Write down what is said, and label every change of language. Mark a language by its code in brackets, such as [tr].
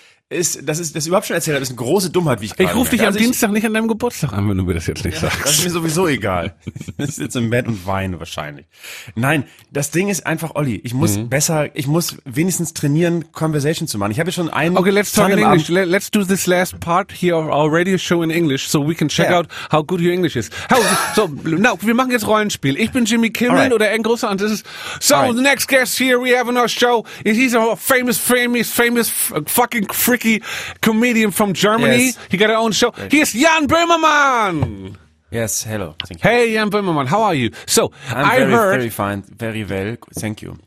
[de] Dass ich das überhaupt schon erzählt habe, ist eine große Dummheit, wie ich gerade. Ich rufe dich am Dienstag nicht an deinem Geburtstag an, wenn du mir das jetzt nicht sagst. Das ist mir sowieso egal. Ich sitze im Bett und weine wahrscheinlich. Nein, das Ding ist einfach, Olli, ich muss wenigstens trainieren, Conversation zu machen. Ich habe schon einen. [en] Okay, let's talk in English. Let's do this last part here of our radio show in English, so we can check out how good your English is. [de] Wir machen jetzt Rollenspiel. Ich bin Jimmy Kimmel oder ein großer. Und [en] the next guest here we have in our show, he's a famous fucking freaky comedian from Germany. Yes. He got his own show. He is Jan Böhmermann. Yes, hello. Thank you. Hey, Jan Böhmermann, how are you? So, very well. Thank you.